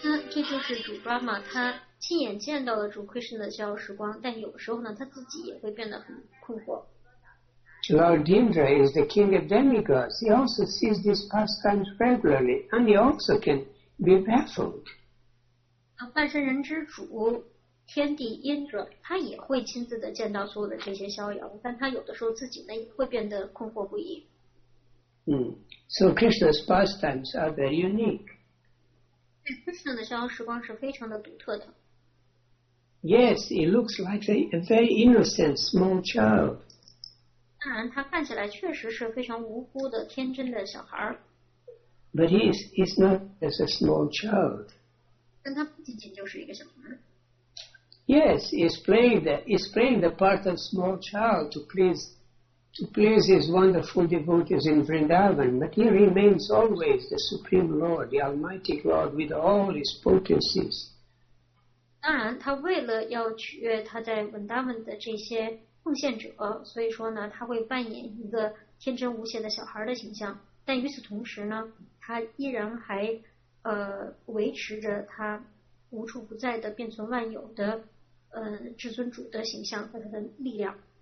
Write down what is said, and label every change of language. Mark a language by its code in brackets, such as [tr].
[zh] 这就是主 Brahma 他亲眼见到了主 Krishna 的逍遥时光，但有时候呢，他自己也会变得很困惑。 [en] Lord Indra is the king of demigods. He also sees these pastimes regularly, and he also can be baffled. [zh] 半身人之主天帝 Indra 他也会亲自的见到所有的这些逍遥，但他有的时候自己呢也会变得困惑不已。 [en] So Krishna's pastimes are very unique. [zh] Krishna 的逍遥时光是非常的独特的。 [en] Yes, he looks like a very innocent small child. [zh] 当然，他看起来确实是非常无辜的天真的小孩。 [en] But he's not as a small child. [zh] 但他不仅仅就是一个小孩。 [en] Yes, he's playing the part of small child to please his wonderful devotees in Vrindavan, but he remains always the Supreme Lord, the Almighty Lord, with all his potencies. [zh] 当然，他为了要取悦他在 Vrindavan 的这些奉献者，所以说呢，他会扮演一个天真无邪的小孩的形象。但与此同时呢，他依然还维持着他无处不在的变存万有的至尊主的形象和他的力量。